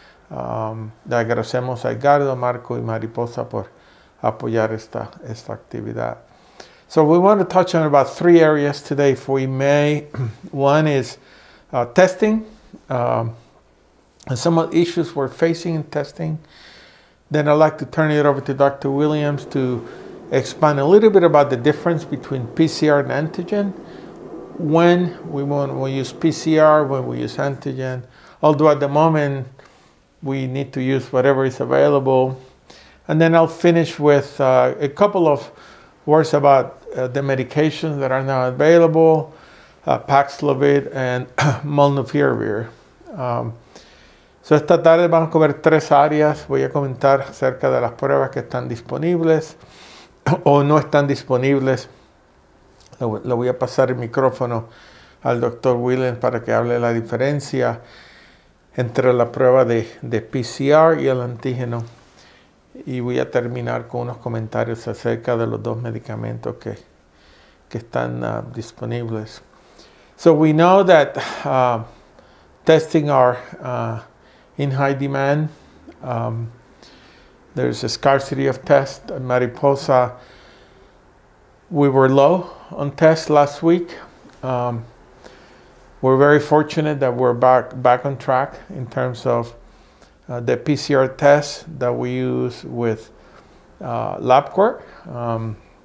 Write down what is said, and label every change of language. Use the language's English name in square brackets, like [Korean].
[Spanish] Le agradecemos a Edgardo, Marco y Mariposa por apoyar esta actividad. [English] So we want to touch on about three areas today, if we may. One is testing, and some of the issues we're facing in testing. Then I'd like to turn it over to Dr. Williams to expand a little bit about the difference between PCR and antigen. When we want to use PCR, when we use antigen, although at the moment we need to use whatever is available. And then I'll finish with a couple of words about the medications that are now available, Paxlovid and Molnupiravir. [Spanish] So esta tarde vamos a cover tres áreas. Voy a comentar acerca de las pruebas que están disponibles o no están disponibles. Le voy a pasar el micrófono al Dr. Williams para que hable la diferencia entre la prueba de PCR y el antígeno. Y voy a terminar con unos comentarios acerca de los dos medicamentos que están disponibles. [English] So we know that testing are in high demand. There's a scarcity of tests. Mariposa, we were low on tests last week. We're very fortunate that we're back on track in terms of the PCR tests that we use with LabCorp.